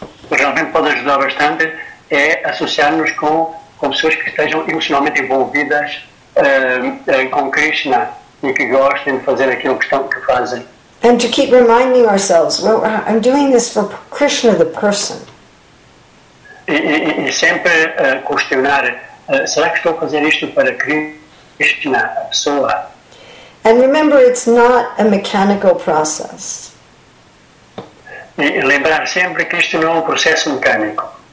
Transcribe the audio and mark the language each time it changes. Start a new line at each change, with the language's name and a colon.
Portuguese: Realmente pode ajudar bastante é associar-nos com pessoas que estejam emocionalmente envolvidas com Krishna e que gostem de fazer aquilo que fazem.
English: And to keep reminding ourselves, well, I'm doing this for Krishna, the person.
Portuguese: E sempre questionar, será que estou a fazer isto para Krishna, a pessoa?
English: And remember, it's not a mechanical process.
Portuguese: E lembrar sempre que isto não é processo mecânico.